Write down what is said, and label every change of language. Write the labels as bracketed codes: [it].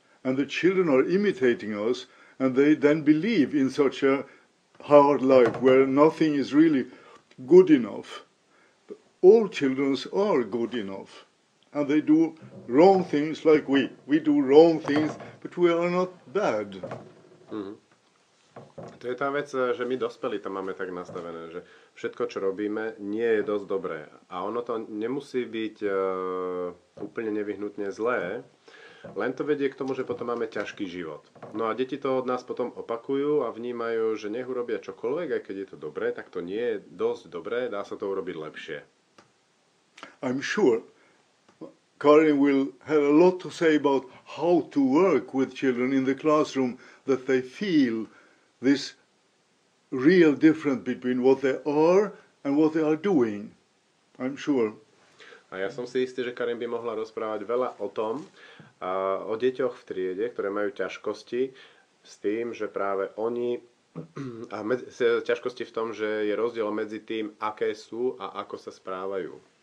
[en] And the children are imitating us, and they then believe in such a hard life where nothing is really good enough. But all children are good enough, and they do wrong things like we. We do wrong things, but we are not bad. Mm-hmm. [sk] To je tá vec, že my dospelí to máme tak nastavené, že všetko, čo robíme, nie je dosť dobré. A ono to nemusí byť úplne nevyhnutne zlé, len to vedie k tomu, že potom máme ťažký život. No a deti to od nás potom opakujú a vnímajú, že nech urobia čokoľvek, aj keď je to dobré, tak to nie je dosť dobré, dá sa to urobiť lepšie. [en] I'm sure Karin will have a lot to say about how to work with children in the classroom, that they feel this real difference between what they are and what they are doing. I'm sure. [sk] A ja som si istý, že Karin by mohla rozprávať veľa o tom, o deťoch v triede, ktoré majú ťažkosti s tým, že práve oni a ťažkosti v tom, že je rozdiel medzi tým, aké sú a ako sa správajú.